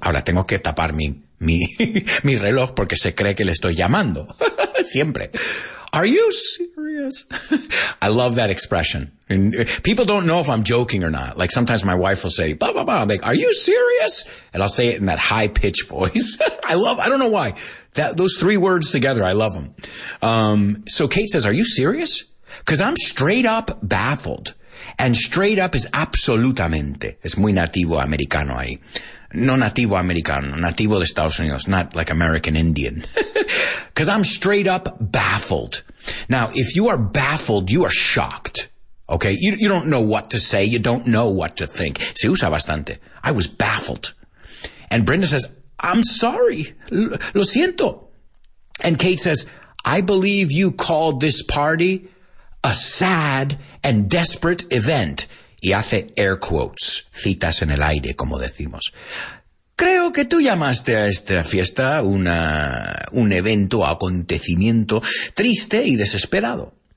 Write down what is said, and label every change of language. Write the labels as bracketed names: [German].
[Spanish] Ahora tengo que tapar mi reloj porque se cree que le estoy llamando. [English] Siempre. Are you serious? I love that expression. And people don't know if I'm joking or not. Like sometimes my wife will say, blah, blah, blah. I'm like, are you serious? And I'll say it in that high-pitched voice. I don't know why. Those three words together, I love them. So Kate says, are you serious? Because I'm straight up baffled. And straight up is [Spanish] absolutamente. Es muy nativo americano ahí. No nativo americano, nativo de Estados Unidos, [English] not like American Indian. Because I'm straight up baffled. Now, if you are baffled, you are shocked. Okay? You don't know what to say. You don't know what to think. [Spanish] Se usa bastante. [English] I was baffled. And Brenda says, I'm sorry. [Spanish] Lo siento. [English] And Kate says, I believe you called this party a sad and desperate event. [Spanish] Y hace [English] air quotes, [Spanish] citas en el aire, como decimos. Creo que tú llamaste a esta fiesta un evento, acontecimiento triste y desesperado.